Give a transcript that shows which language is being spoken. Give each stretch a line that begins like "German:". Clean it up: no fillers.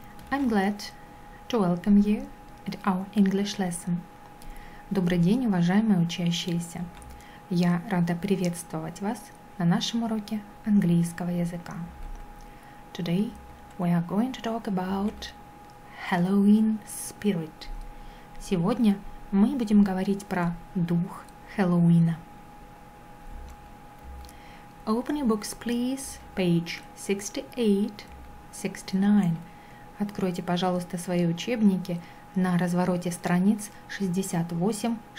English: I'm glad to welcome you at our English lesson.
Russian: Добрый день, уважаемые учащиеся. Я рада приветствовать вас на нашем уроке английского языка.
English: Today we are going to talk about Halloween spirit.
Russian: Сегодня мы будем говорить про дух Хэллоуина.
English: Open your books, please, page 68. 69.
Russian: Откройте, пожалуйста, свои учебники на развороте страниц 68-69.